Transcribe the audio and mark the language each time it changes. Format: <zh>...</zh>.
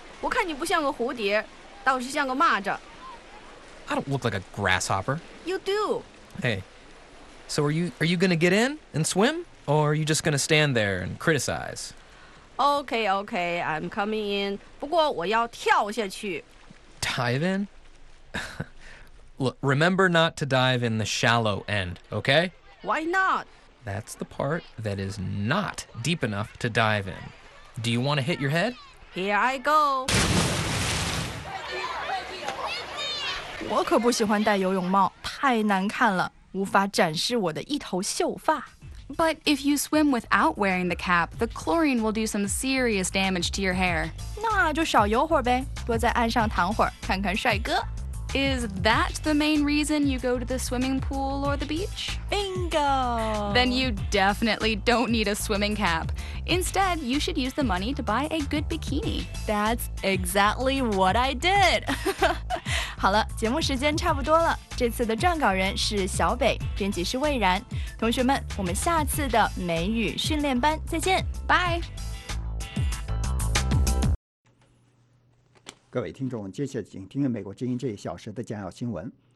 <zh>我看你不像个蝴蝶，倒是像个蚂蚱。</zh> <en>I don't look like a grasshopper. You do. Hey. So are you going to get in and swim? Or are you just going to stand there and criticize? Okay, okay, I'm coming in.</en> <zh>不过我要跳下去。</zh> <en>Dive in? Look, remember not to dive in the shallow end, okay? Why not? That's the part that is not deep enough to dive in. Do you want to hit your head? Here I go.</en> <zh>我可不喜欢戴游泳帽，太难看了。无法展示我的一头秀发。</zh> <en>But if you swim without wearing the cap, the chlorine will do some serious damage to your hair.</en> <zh>那就少游会儿呗，多在岸上躺会儿，看看帅哥。</zh> <en>Is that the main reason you go to the swimming pool or the beach? Bingo! Then you definitely don't need a swimming cap. Instead, you should use the money to buy a good bikini. That's exactly what I did!</en> <zh>好了，节目时间差不多了。这次的撰稿人是小北，编辑是魏然。同学们，我们下次的美语训练班再见，拜。各位听众，接下来请听美国之音这一小时的讲要新闻。</zh>